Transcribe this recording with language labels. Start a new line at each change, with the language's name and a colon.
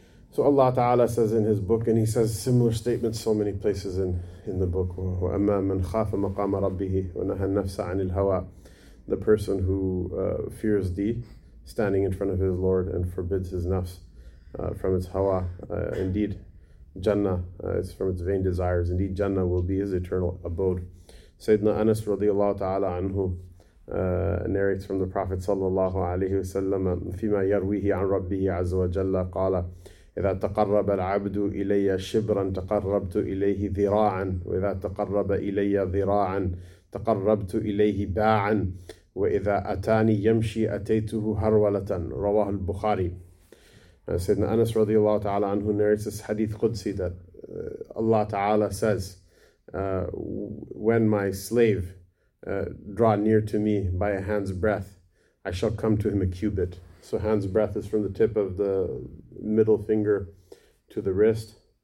English: So Allah Ta'ala says in his book, and he says similar statements so many places in the book,
Arabic: وَأَمَّا مَنْ خَافَ مَقَامَ رَبِّهِ وَنَهَا النَّفْسَ عَنِ الْهَوَىٰ.
English: The person who fears the standing in front of his Lord and forbids his nafs from its hawa, indeed Jannah is from its vain desires, indeed Jannah will be his eternal abode. Sayyidina Anas radiallahu ta'ala anhu narrates from the Prophet sallallahu alayhi wa sallam,
Arabic: فِيمَا يَرْوِيهِ عَنْ رَبِّهِ عَزَّ وَجَلَّ قَالَ إِذَا تَقَرَّبَ الْعَبْدُ إِلَيَّ شِبْرًا تَقَرَّبْتُ إِلَيْهِ ذِرَاعًا وَإِذَا تَقَرَّبَ إِلَيَّ ذِرَاعًا تَقَرَّبْتُ إِلَيْهِ بَاعًا وَإِذَا أَتَانِي يَمْشِي أَتَيْتُهُ هَرْوَلَةً. رواه البخاري.
English: Sayyidina Anas radiallahu ta'ala anhu narrates this hadith Qudsi that Allah ta'ala says, when my slave draw near to me by a hand's breadth, I shall come to him a cubit. So hand's breadth is from the tip of the middle finger to the wrist.